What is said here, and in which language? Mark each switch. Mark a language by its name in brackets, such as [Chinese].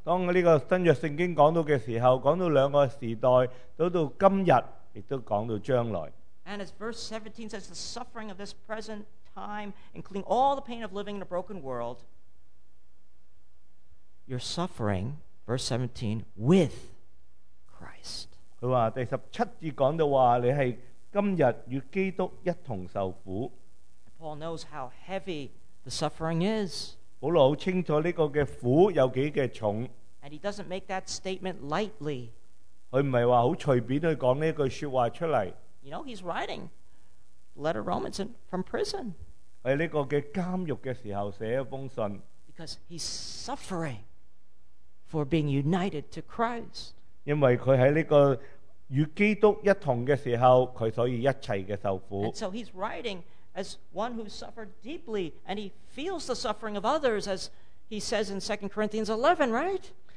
[Chinese] 当这个新约圣经讲到的时候, 讲到两个时代, 到今日, 也都讲到将来。 [English] And as verse 17 says, the suffering of this present time, including all the pain of living in a broken world, your suffering, verse 17, with Christ. [Chinese] 他说第十七节讲到话你是今日与基督一同受苦。 [English] Paul knows how heavy the suffering is. [Chinese] 保罗很清楚这个苦有多重。 [English] And he doesn't make that statement lightly. [Chinese] 他不是说很随便去讲这句话出来。 [English] You know, he's writing a letter to Romans from prison. [Chinese] 在这个监狱的时候写一封信。 [English] Because he's suffering for being united to Christ. [Chinese] 因为他在这个与基督一同的时候, 他所以一切的受苦。 [English] And so he's writing as one who suffered deeply, and he feels the suffering of others, as he says in 2 Corinthians 11, right?